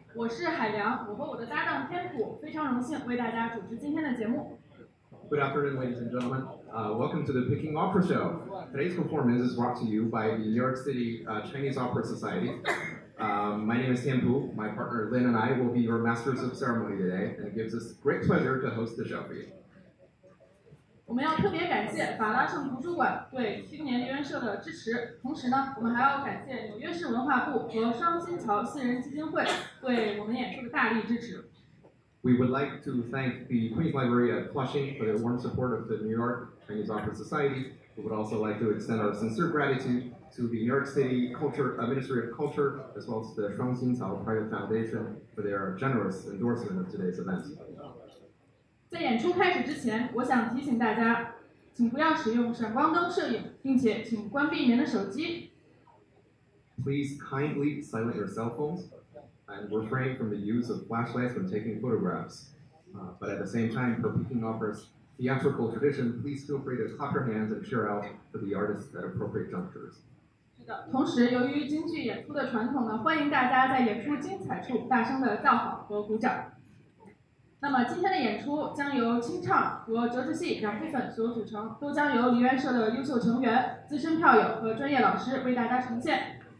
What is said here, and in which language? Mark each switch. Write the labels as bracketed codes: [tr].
[zh] 我是海洋，我和我的搭档天普非常荣幸为大家主持今天的节目。 [en] Good afternoon, ladies and gentlemen. Welcome to the Peking Opera Show. Today's performance is brought to you by the New York City Chinese Opera Society. My name is Tian Pu. My partner Lin and I will be your masters of ceremony today, and it gives us great pleasure to host the show for you. [zh] 我们要特别感谢法拉盛图书馆对青年梨园社的支持，同时呢，我们还要感谢纽约市文化部和双新桥新人基金会对我们演出的大力支持。 [en] We would like to thank the Queen's Library at Flushing for their warm support of the New York Chinese Opera Society. We would also like to extend our sincere gratitude to the New York City Culture, Ministry of Culture, as well as the Shuangxin Cao Private Foundation for their generous endorsement of today's event. [zh] 在演出开始之前，我想提醒大家，请不要使用闪光灯摄影，并且请关闭您的手机。 [en] Please kindly silence your cell phones. And refrain from the use of flashlights when taking photographs. But at the same time, for Peking Opera's theatrical tradition, please feel free to clap your hands and cheer out for the artists at appropriate junctures. [zh] 同时，由于京剧演出的传统呢，欢迎大家在演出精彩处大声的叫好和鼓掌。那么今天的演出将由清唱和折子戏两部分所组成，都将由梨园社的优秀成员、资深票友和专业老师为大家呈现。